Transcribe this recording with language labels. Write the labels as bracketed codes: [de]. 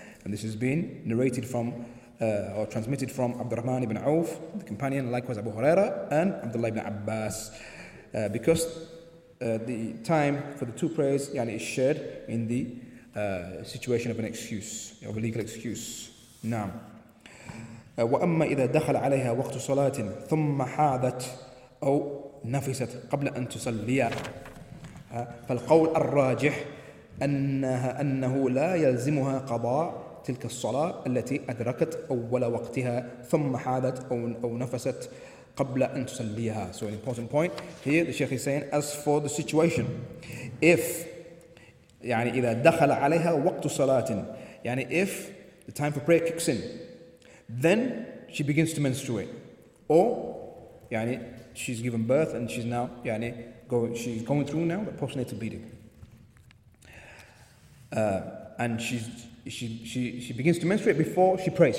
[en] And this has been narrated from, or transmitted from Abdurrahman ibn Auf, the companion, likewise Abu Huraira, and Abdullah ibn Abbas. Because the time for the two prayers is shared in the situation of an excuse, of a legal excuse. [ar] نعم. وأما إذا دخل عليها وقت صلاة ثم حاذت أو نفست قبل أن تصلي فالقول الراجح أنه لا يلزمها قضاء تلك الصلاة التي أدركت أول وقتها ثم حاذت أو نفست قبل أن تصليها. [en] So an important point here, the Sheikh is saying, as for the situation, if [ar] إذا دخل عليها وقت صلاة, [en] if the time for prayer kicks in, then she begins to menstruate, or she's given birth and she's now going through now the postnatal bleeding, and she begins to menstruate before she prays.